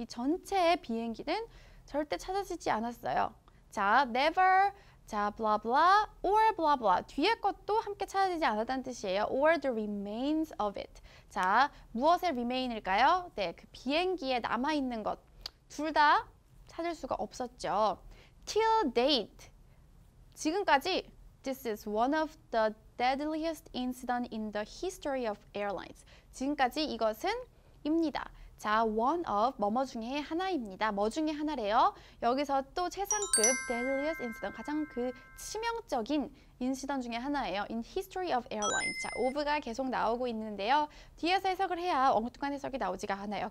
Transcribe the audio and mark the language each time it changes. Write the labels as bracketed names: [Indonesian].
[Korean] 이 전체 비행기는 절대 찾아지지 않았어요. 자, never, 자, blah blah, or blah blah. 뒤에 것도 함께 찾아지지 않았다는 뜻이에요. [English] Or the remains of it. [Korean] 자, 무엇의 remain일까요? 네, 그 비행기에 남아있는 것. 둘 다 찾을 수가 없었죠. [English] Till date. [Korean] 지금까지 [English] this is one of the deadliest incident in the history of airlines. [Korean] 지금까지 이것은 입니다. 자, one of 뭐뭐 중에 하나입니다. 뭐 중에 하나래요. 여기서 또 최상급 deadliest incident, 가장 그 치명적인 incident 중에 하나예요. [English] In history of airlines. [Korean] 자, of가 계속 나오고 있는데요. 뒤에서 해석을 해야 엉뚱한 해석이 나오지가 않아요.